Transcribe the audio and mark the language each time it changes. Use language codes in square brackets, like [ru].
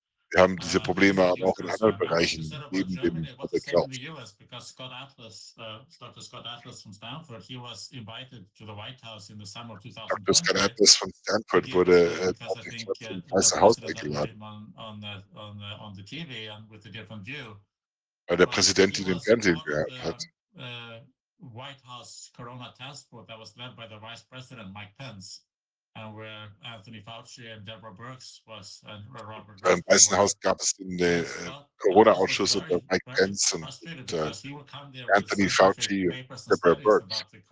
[de] Wir haben diese Probleme aber auch in anderen Bereichen neben dem Verkauf. Scott Atlas, Dr. [en] Scott Atlas von Stanford, he was invited to the White House in the summer of 2000. Dr. [de] Scott Atlas von Stanford wurde zum Weißen Haus eingeladen. [en] On the TV and with a different view. [de] Weil der Präsident ihn im Fernsehen gehört hat. [en] White House Corona Task Force that was led by the Vice President Mike Pence. And where Anthony Fauci and Deborah Birx was and Robert. [de] Im Weißen Haus gab es den Corona-Ausschuss unter Mike Pence und Anthony Fauci und Deborah Birx.